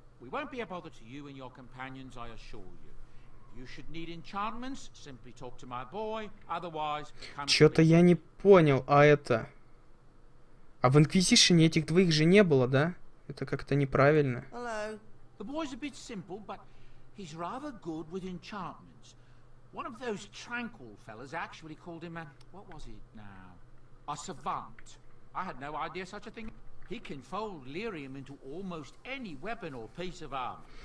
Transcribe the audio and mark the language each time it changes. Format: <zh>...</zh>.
<en>We won't be a bother to you and your companions, I assure you. If you should need enchantments, simply talk to my boy. Otherwise, come...</en> <ru>Чё-то я не понял, а это... А в Инквизишене этих двоих же не было, да? Это как-то неправильно.</ru> <en>Hello. The boy's a bit simple, but he's rather good with enchantments. One of those tranquil fellas actually called him a... What was it now? A savant. I had no idea such a thing. He can fold lyrium into almost any weapon or piece of armor.</en>